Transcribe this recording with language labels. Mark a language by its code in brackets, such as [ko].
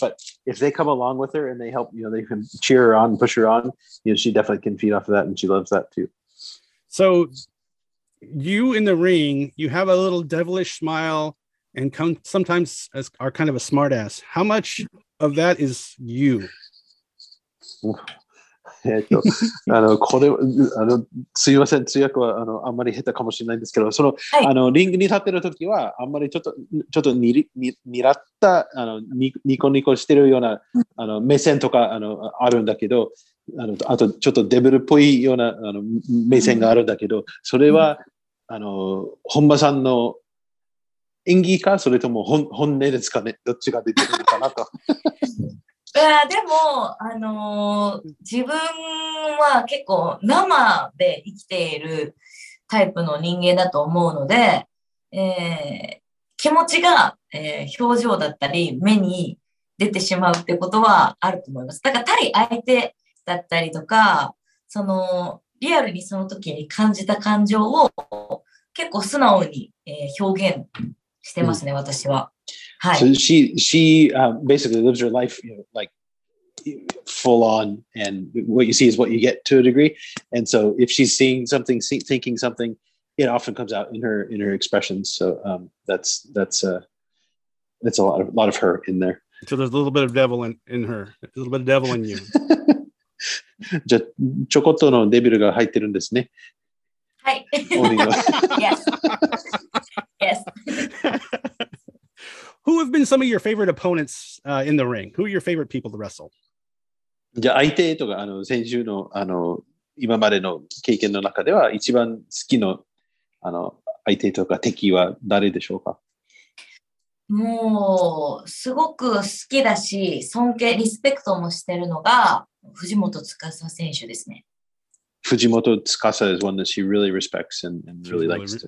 [en] But if they come along with her and they help, they can cheer her on, push her on. She definitely can feed off of that, and she loves that too. So, you in the ring, you have a little devilish smile, and sometimes are kind of a smartass. How much of that is you? [ja] これあのすいません通訳はあのあんまり下手かもしれないんですけど、その、はい、あのリングに立ってる時はあんまりちょっとにらったあのニコニコしてるようなあの目線とかあのあるんだけど、あのあとちょっとデブルっぽいようなあの目線があるんだけど、それは、あの本間さんの演技かそれとも本音ですかね、どっちが出てるのかなと。でも、自分は結構生で生きているタイプの人間だと思うので、気持ちが、表情だったり目に出てしまうってことはあると思います。だから対相手だったりとか、そのリアルにその時に感じた感情を結構素直に、表現してますね、私は。はい、 [en] so she basically lives her life like full on, and what you see is what you get to a degree. And so if she's seeing something, thinking something, it often comes out in her expressions. So that's a lot of her in there. So there's a little bit of devil in her, a little bit of devil in you. [ja] じゃちょこっとのデビルが入ってるんですね。はい。 [en] Yes. Who have been some of your favorite opponents in the ring? Who are your favorite people to wrestle? [ja] じゃあ相手とかあの先週のあの今までの経験の中では一番好きのあの相手とか敵は誰でしょうか? もうすごく好きだし尊敬リスペクトもしてるのが藤本司選手ですね。 [en] Fujimoto Tsukasa is one that she really respects and really likes.